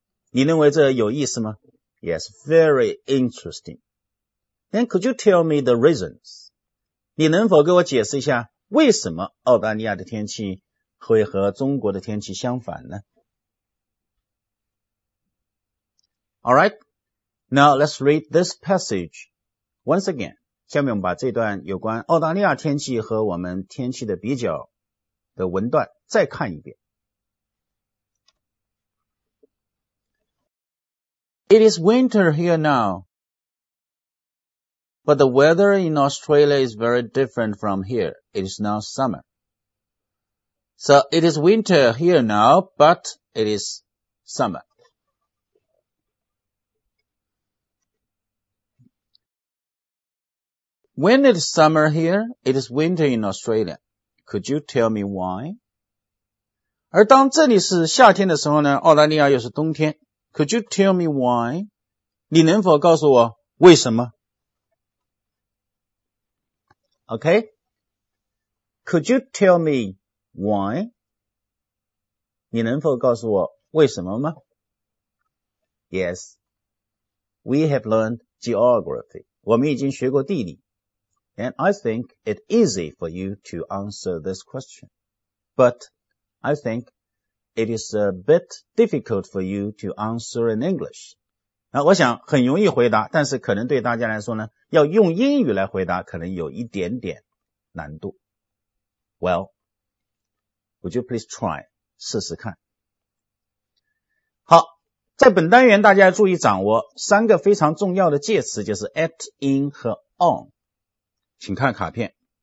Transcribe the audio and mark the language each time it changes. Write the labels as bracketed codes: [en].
[zh] 你认为这有意思吗? [en] Yes, very interesting. Then could you tell me the reasons? [zh] 你能否给我解释一下为什么澳大利亚的天气会和中国的天气相反呢? [en] Alright, now let's read this passage once again. [zh] 下面我们把这段有关澳大利亚天气和我们天气的比较的文段再看一遍。 [en] It is winter here now, but the weather in Australia is very different from here. It is now summer. So it is winter here now, but it is summer. When it is summer here, it is winter in Australia. Could you tell me why? [zh] 而当这里是夏天的时候呢，澳大利亚又是冬天。 [en] Could you tell me why? [zh] 你能否告诉我为什么? [en] Okay. Could you tell me why? [zh] 你能否告诉我为什么吗? [en] Yes. We have learned geography. [zh] 我们已经学过地理。 [en] And I think it easy for you to answer this question. But I think it is a bit difficult for you to answer in English. [zh] 那我想很容易回答，但是可能对大家来说呢，要用英语来回答可能有一点点难度。 [en] Well, would you please try? [zh] 试试看。好，在本单元大家注意掌握三个非常重要的介词，就是 at, in 和 on。请看卡片。